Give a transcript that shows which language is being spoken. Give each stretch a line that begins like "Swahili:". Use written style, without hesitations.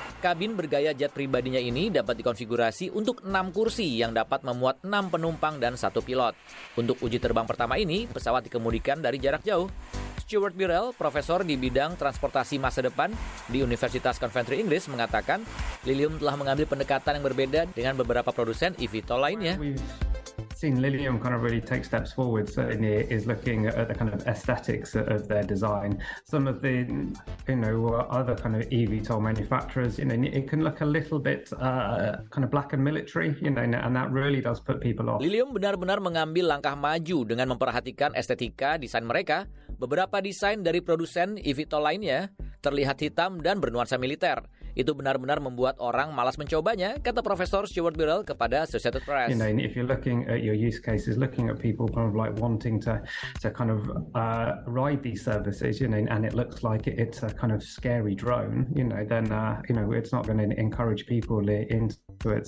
Indonesian: Kabin bergaya jet pribadinya ini dapat dikonfigurasi untuk 6 kursi yang dapat memuat 6 penumpang dan 1 pilot. Untuk uji terbang pertama ini, pesawat dikemudikan dari jarak jauh. Stuart Birrell, profesor di bidang transportasi masa depan di Universitas Coventry Inggris, mengatakan Lilium telah mengambil pendekatan yang berbeda dengan beberapa produsen eVTOL lainnya.
English: Seen Lilium kind of really take steps forward. Certainly, is looking at the kind of aesthetics of their design. Some of the, you know, other kind of eVTOL manufacturers, you know, it can look a little bit kind of black and military, you know, and that really does put people off.
Indonesian: Lilium benar-benar mengambil langkah maju dengan memperhatikan estetika desain mereka. Beberapa desain dari produsen eVTOL lainnya terlihat hitam dan bernuansa militer. Itu benar-benar membuat orang malas mencobanya, kata Profesor Stuart Birrell kepada Associated Press.
English: You know, if you're looking at your use cases, looking at people kind of like wanting to kind of ride these services, you know, and it looks like it's a kind of scary drone, you know, then you know, it's not going to encourage people into it.